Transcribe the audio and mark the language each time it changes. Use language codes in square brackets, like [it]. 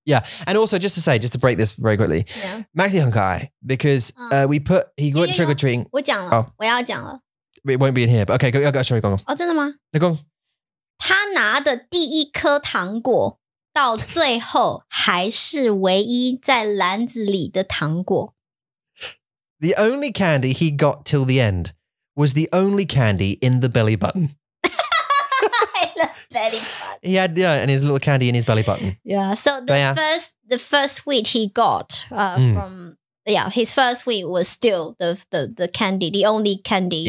[en] Yeah, and also just to say, just to break this very quickly, yeah. Max [zh] 很可爱 [en] because we put, he went trick-or-treating. [zh] 我讲了,我要讲了。 [en] It won't be in here, but okay, go, go, sorry, go, go. [zh] 哦,真的吗? 你说。他拿的第一颗糖果到最后还是唯一在篮子里的糖果。 [en] The only candy he got till the end was the only candy in the belly button. In the belly button. He had, yeah, and his little candy in his belly button. Yeah, so the first sweet he got from, yeah, his first sweet was still the candy, the only candy